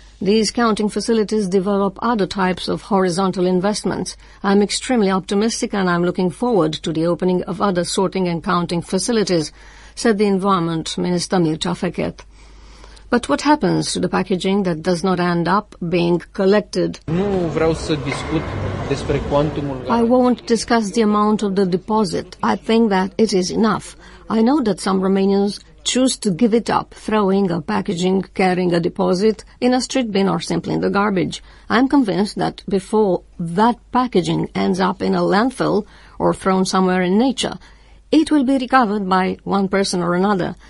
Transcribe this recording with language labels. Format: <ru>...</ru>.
<en>These counting facilities develop other types of horizontal investments. I'm extremely optimistic and I'm looking forward to the opening of other sorting and counting facilities, said the Environment Minister Mircea Fechet. But what happens to the packaging that does not end up being collected?</en> <ro>Nu vreau să discut despre quantumul.</ro> <en>I won't discuss the amount of the deposit. I think that it is enough. I know that some Romanians choose to give it up, throwing a packaging, carrying a deposit in a street bin or simply in the garbage. I'm convinced that before that packaging ends up in a landfill or thrown somewhere in nature, it will be recovered by one person or another.</en>